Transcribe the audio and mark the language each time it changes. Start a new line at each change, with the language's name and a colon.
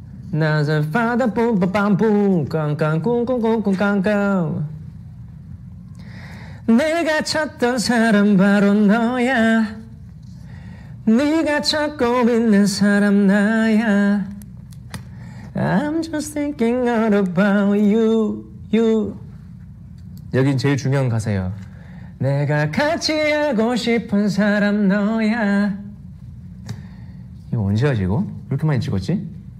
Korean: 나는 파다 뿜빠빰뿜 깡깡 꿍꿍꿍꿍 깡깡. 내가 찾던 사람 바로 너야. 네가 찾고 있는 사람 나야.
English: I'm just thinking about you, you.
Korean: 여긴 제일 중요한 가사예요. 내가 같이 하고 싶은 사람 너야. 이거 언제 하지 이거? 왜 이렇게 많이 찍었지?